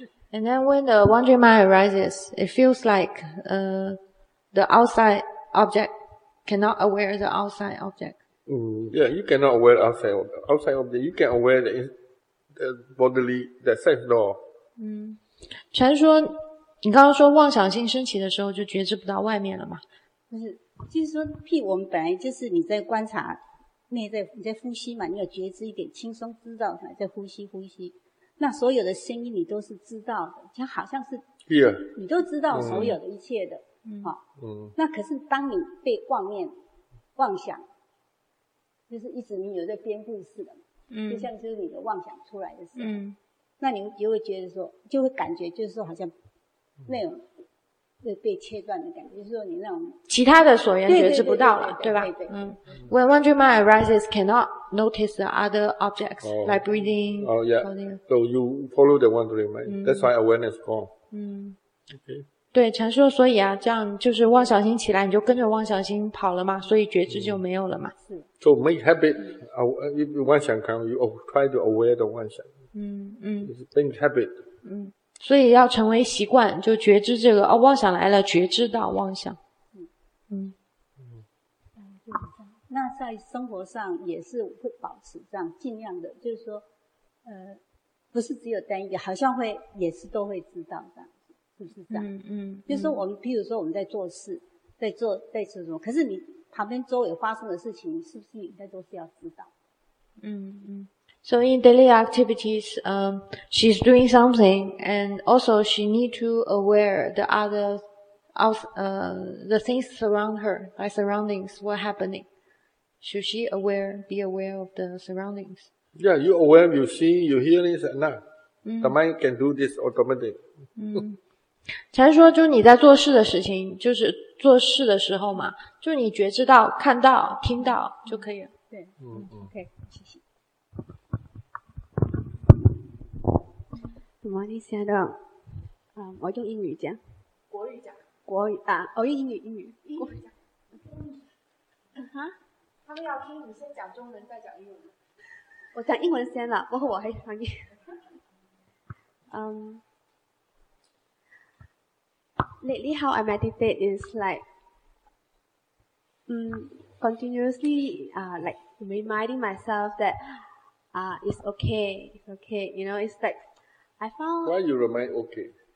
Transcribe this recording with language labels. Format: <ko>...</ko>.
<en>And then when the wandering mind arises, it feels like, the outside object cannot aware the outside object. Yeah, you cannot aware outside object. You can aware the bodily, the sense door.</en> <zh>禅说，你刚刚说妄想心升起的时候，就觉知不到外面了嘛？就是，就是说，譬如我们本来就是你在观察内在，你在呼吸嘛，你有觉知一点，轻松知道嘛，在呼吸，那所有的声音你都是知道的，就好像是</zh> <en>here，</en> <zh>你都知道所有的一切的，好，那可是当你被妄念、妄想。就是一直你有在编故事的嘛，就像就是你的妄想出来的时候，那你就会觉得说，就会感觉就是说好像那种被切断的感觉，就是说你那种其他的所缘觉知不到了，对吧？对对对。</zh> <en>When wandering mind arises, cannot notice the other objects like breathing. Oh yeah. So you follow the wandering mind. That's why awareness gone. Okay.</en> <zh>对，禅说，所以啊，这样就是妄想心起来，你就跟着妄想心跑了嘛，所以觉知就没有了嘛。</zh> <en>So make habit, if you want to come, you try to aware the 妄想。 It's make habit.</en> <zh>所以要成为习惯，就觉知这个，哦，妄想来了，觉知到妄想。那在生活上也是会保持这样，尽量的，就是说，不是只有单一，好像会也是都会知道这样。是不是这样？就是说我们，譬如说我们在做事，在做什么，可是你旁边周围发生的事情，是不是应该都是要知道？</zh> <en>So in daily activities, she's doing something, and also she need to aware the other, the things around her, like surroundings, what happening. Should she be aware of the surroundings? Yeah, you aware, you see, you hearing, and now the mind can do this automatically.</en> <zh>禅说，就你在做事的事情，就是做事的时候嘛，就你觉知到、看到、听到就可以了。对，OK， 谢谢。</zh> <en>Good morning,</en> <zh>Sayadaw。 我用英语讲。国语讲。国语啊，我用英语。英语讲。哈？他们要听你先讲中文，再讲英文。我讲英文先了，过后我还翻译。</zh> <en>Lately how I meditate is like, continuously, like reminding myself that, it's okay, you know, it's like, I found... Why you remind okay?</en>